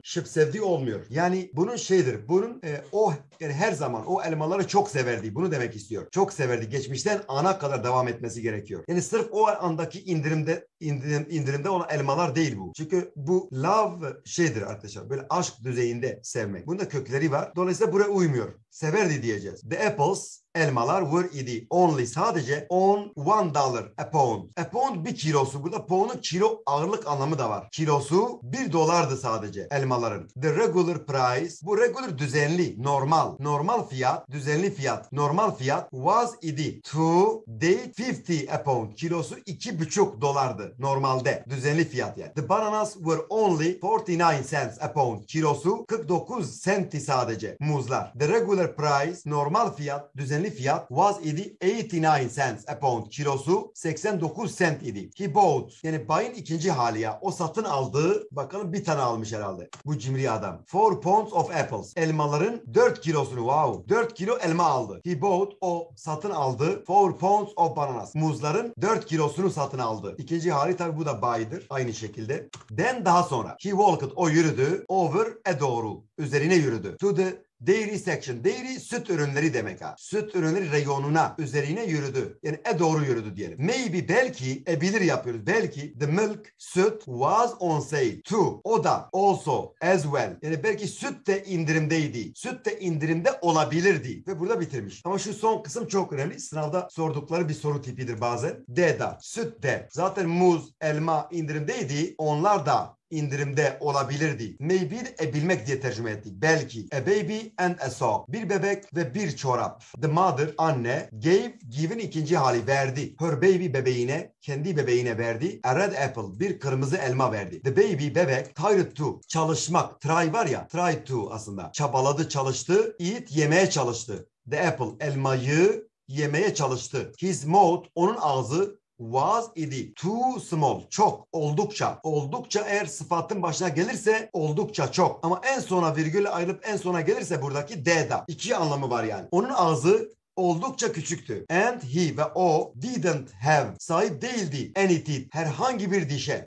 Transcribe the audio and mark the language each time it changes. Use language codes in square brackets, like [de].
[tr] Şıp sevdiği olmuyor. Yani bunun şeydir. Bunun o yani her zaman o elmaları çok severdi. Bunu demek istiyor. Çok severdi. Geçmişten ana kadar devam etmesi gerekiyor. Yani sırf o andaki indirimde olan elmalar değil bu. Çünkü bu love şeydir arkadaşlar. Böyle aşk düzeyinde sevmek. Bunun da kökleri var. Dolayısıyla buraya uymuyor. Severdi diyeceğiz. [en] The apples, elmalar were idi. Only, sadece on, $1 a pound. A pound [tr] bir kilosu. Burada pound'un kilo ağırlık anlamı da var. Kilosu $1 sadece elmaların. [en] The regular price, [tr] bu regular düzenli, normal. Normal fiyat, düzenli fiyat. Normal fiyat [en] was idi. Today 50 a pound. [tr] Kilosu $2.50 normalde. Düzenli fiyat yani. [en] The bananas were only 49 cents a pound. [tr] Kilosu 49 centi sadece muzlar. [en] The regular price, [tr] normal fiyat, düzenli fiyat was idi [en] 89 cents a pound. [tr] Kilosu 89 cent idi. [en] He bought, [tr] yani bayın ikinci hali ya. O satın aldığı, bakalım bir tane almış herhalde bu cimri adam. [en] 4 pounds of apples, [tr] elmaların 4 kilosunu, wow, 4 kilo elma aldı. [en] He bought, [tr] o satın aldı. [en] 4 pounds of bananas, [tr] muzların 4 kilosunu satın aldı. İkinci hali tabi bu da buy'dır aynı şekilde. Then daha sonra, [en] he walked, [tr] o yürüdü. Over, a doğru, üzerine yürüdü. [en] To the dairy section, [tr] dairy süt ürünleri demek ha. Süt ürünleri reyonuna, üzerine yürüdü. Yani e doğru yürüdü diyelim. Maybe, belki, e bilir yapıyoruz. [en] Belki the milk, süt was on sale too. [tr] O da, [en] also, as well. [tr] Yani belki süt de indirimdeydi. Süt de indirimde olabilirdi. Ve burada bitirmiş. Ama şu son kısım çok önemli. Sınavda sordukları bir soru tipidir bazen. De da, süt de. Zaten muz, elma indirimdeydi. Onlar da indirimde olabilirdi. Maybe de bilmek diye tercüme ettik. Belki. [en] A baby and a sock. [tr] Bir bebek ve bir çorap. [en] The mother, [tr] anne, gave, given ikinci hali, verdi. [en] Her baby, [tr] bebeğine, kendi bebeğine verdi. [en] A red apple, [tr] bir kırmızı elma verdi. [en] The baby, [tr] bebek, [en] tried to, [tr] çalışmak. Try var ya, tried to aslında. Çabaladı, çalıştı. Eat, yemeye çalıştı. [en] The apple, [tr] elmayı yemeye çalıştı. [en] His mouth, [tr] onun ağzı, was idi. [en] Too small, [tr] çok, oldukça. Oldukça eğer sıfatın başına gelirse oldukça çok. Ama en sona virgülle ayrılıp en sona gelirse buradaki de da. İki anlamı var yani. Onun ağzı oldukça küçüktü. [en] And he [tr] ve o [en] didn't have, [tr] sahip değildi, [en] any teeth, [tr] herhangi bir dişe.